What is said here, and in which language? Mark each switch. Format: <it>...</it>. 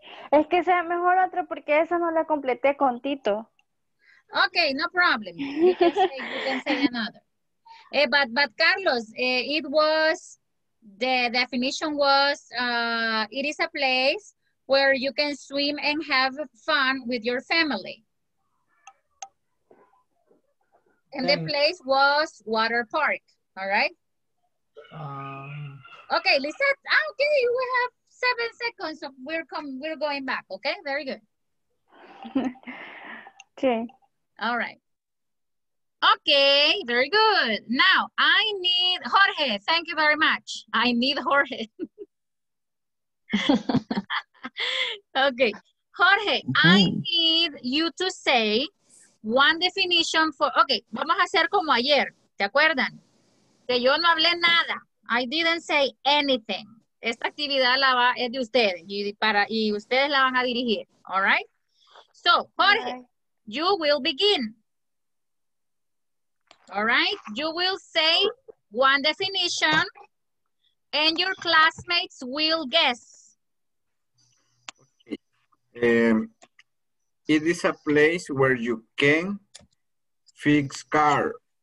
<es>Es que sea mejor otro porque esa no la completé con Tito.</es> <en>Okay, no problem. You can say another. But Carlos, it was, the definition was, it is a place where you can swim and have fun with your family. And the place was water park, all right? Okay, Lisette, okay, we have 7 seconds, so we're going back, okay? Very good. Okay. All right. Okay, very good. Now, I need Jorge, thank you very much. I need Jorge. Okay, Jorge, I need you to say one definition for, okay,</en> <es>vamos a hacer como ayer, ¿te acuerdan? Que yo no hablé nada,</es> <en>I didn't say anything.</en> <es>Esta actividad la va, es de ustedes y ustedes la van a dirigir, all right?</es> <en>So, Jorge, okay. You will begin. All right, you will say one definition and your classmates will guess. Okay. It is a place where you can fix car.</en>